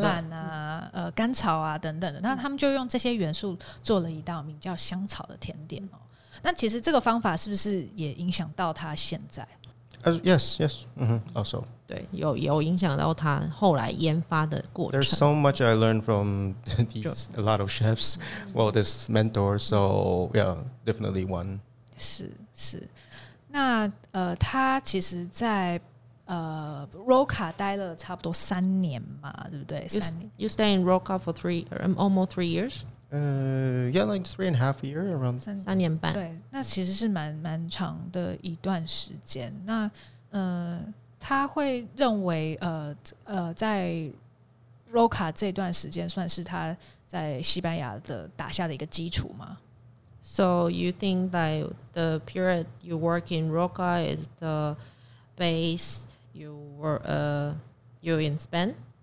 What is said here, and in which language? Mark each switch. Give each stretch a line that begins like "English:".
Chinese: 橄榄啊、甘草啊等等的，那他们就用这些元素做了一道名叫香草的甜点哦。那其实这个方法是不是也影响到他现在
English: ？Yes, also.
Chinese: 对，有影响到他后来研发的过程。
English: There's so much I learned from these a lot of chefs, well, this mentor. So yeah, definitely one.
Chinese: 是。那他其实在Roca 待了差不多三年嘛，对不对？
English: You stay in Roca for almost 3 years. 3.5 years around
Chinese: 三年半，对，那其实是蛮长的一段时间。那他会认为在 Roca 这段时间算是他在西班牙的打下的一个基础吗？
English: So you think that the period you work in Roca is the base you were you in Spain?